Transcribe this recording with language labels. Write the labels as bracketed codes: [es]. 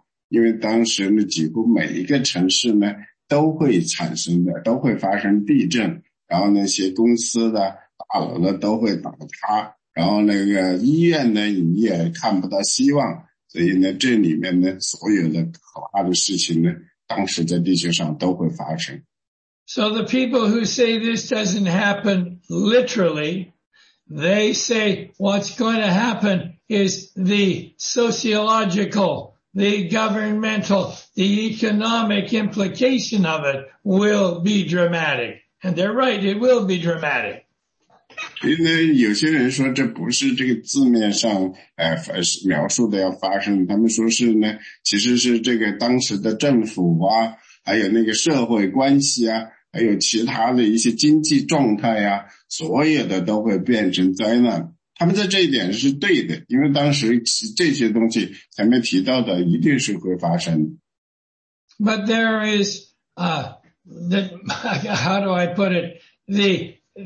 [zh] 因为当时呢，几乎每一个城市呢，都会产生的，都会发生地震，然后那些公司的大楼呢，都会倒塌。然后那个医院呢你也看不到希望，所以呢这里面呢所有的可怕的事情呢当时在地球上都会发生。 [en] So the people who say this doesn't happen literally, they say what's going to happen is the sociological, the governmental, the economic implication of it will be dramatic. And they're right, it will be dramatic. [zh] 因为有些人说这不是这个字面上描述的要发生，他们说是呢其实是这个当时的政府啊，还有那个社会关系啊，还有其他的一些经济状态啊，所有的都会变成灾难。他们在这一点是对的，因为当时这些东西前面提到的一定是会发生。 [en] But there is, how do I put it?